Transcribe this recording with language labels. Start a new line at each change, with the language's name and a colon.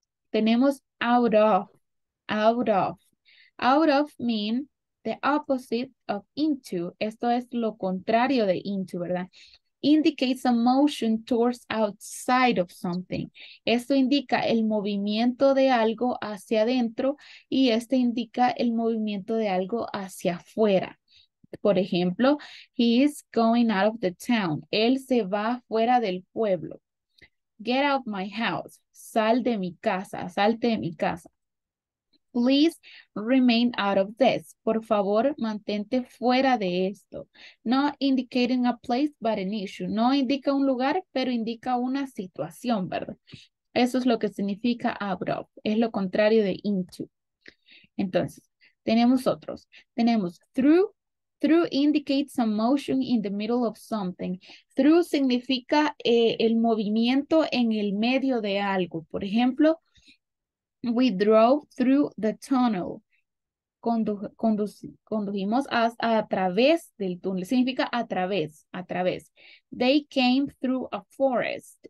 English: Tenemos out of, out of. Out of mean the opposite of into.
Spanish: Esto es lo contrario de into, ¿verdad?
English: Indicates a motion towards outside of something.
Spanish: Esto indica el movimiento de algo hacia adentro y este indica el movimiento de algo hacia afuera. Por ejemplo,
English: he is going out of the town.
Spanish: Él se va fuera del pueblo.
English: Get out of my house.
Spanish: Sal de mi casa. Salte de mi casa.
English: Please remain out of this.
Spanish: Por favor, mantente fuera de esto.
English: Not indicating a place, but an issue.
Spanish: No indica un lugar, pero indica una situación, ¿verdad? Eso es lo que significa out of. Es lo contrario de into. Entonces, tenemos otros. Tenemos through.
English: Through indicates a motion in the middle of something.
Spanish: Through significa el movimiento en el medio de algo. Por ejemplo,
English: we drove through the tunnel.
Spanish: Condujimos a través del túnel. Significa a través, a través.
English: They came through a forest.